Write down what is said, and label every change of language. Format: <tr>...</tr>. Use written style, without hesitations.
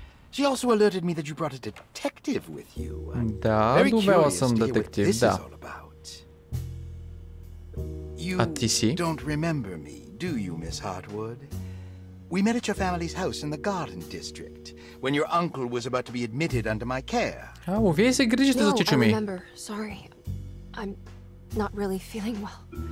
<en>She also alerted me that you brought a detective with you.</en> <bg>Да, довела съм детектив, да.</bg> <en>You don't remember me, do you, Miss Hartwood? We met at your family's house in the garden district when your uncle was about to be admitted under my care.</en> <bg>О, вие се грижите за чичо ми.</bg> <en>No, I remember. Sorry. I'm not really feeling well.</en>